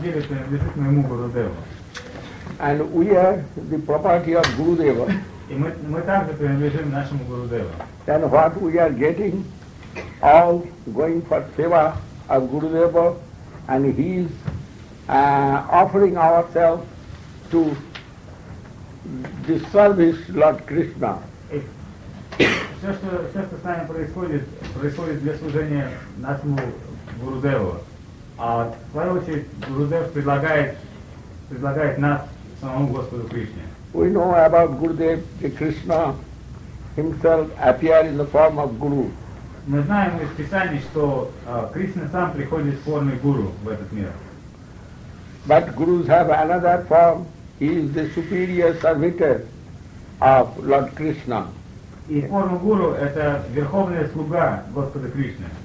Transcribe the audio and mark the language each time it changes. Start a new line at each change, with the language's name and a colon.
English: And we are the property of Gurudeva. Then what we are getting, all going for seva of Gurudeva, and he is offering ourselves to the service Lord Krishna.
Russian: Все, что с нами происходит для служения нашему Гурудеву. А в свою очередь Гурудев предлагает нас самому Господу Кришне.
English: We know about Gurudev, the Krishna himself appear in the form of Guru.
Russian: Мы знаем из Писаний, что Кришна сам приходит в форме Гуру в этот мир.
English: But Gurus have another form. He is the superior servitor of Lord Krishna.
Russian: И форма Гуру – это верховная слуга Господа Кришны.